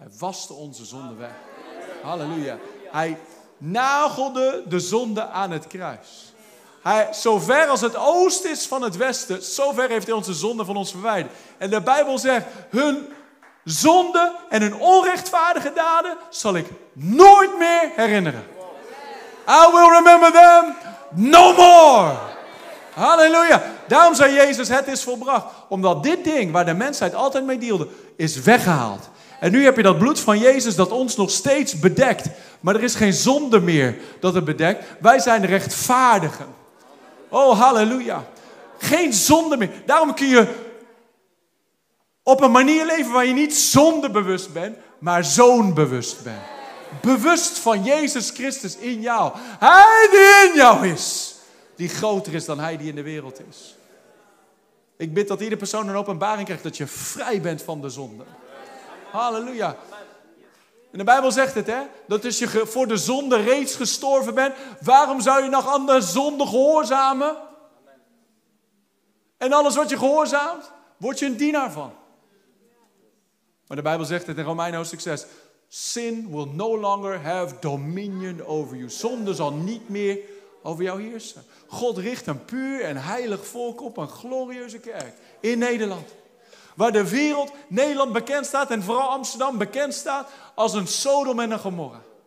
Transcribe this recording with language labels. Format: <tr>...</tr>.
<nl>Waste onze zonde weg. Halleluja. Hij nagelde de zonde aan het kruis. Hij, zover als het oost is van het westen, zover heeft hij onze zonde van ons verwijderd. En de Bijbel zegt, hun zonde en hun onrechtvaardige daden zal ik nooit meer herinneren.</nl> <en>I will remember them no more.</en> <nl>Halleluja. Daarom zei Jezus, het is volbracht. Omdat dit ding waar de mensheid altijd mee dealde, is weggehaald. En nu heb je dat bloed van Jezus dat ons nog steeds bedekt. Maar er is geen zonde meer dat het bedekt. Wij zijn rechtvaardigen. Oh, halleluja. Geen zonde meer. Daarom kun je op een manier leven waar je niet zondebewust bent, maar zoonbewust bent. Bewust van Jezus Christus in jou. Hij die in jou is, die groter is dan hij die in de wereld is. Ik bid dat ieder persoon een openbaring krijgt dat je vrij bent van de zonde. Halleluja. En de Bijbel zegt het, hè? Dat als je voor de zonde reeds gestorven bent, waarom zou je nog aan de zonde gehoorzamen? En alles wat je gehoorzaamt, word je een dienaar van. Maar de Bijbel zegt het in Romeinen hoofdstuk 6.</nl> <en>Sin will no longer have dominion over you.</en> <nl>Zonde zal niet meer over jou heersen. God richt een puur en heilig volk op, een glorieuze kerk in Nederland. Waar de wereld, Nederland bekend staat en vooral Amsterdam bekend staat als een Sodom en een Gomorra.</nl>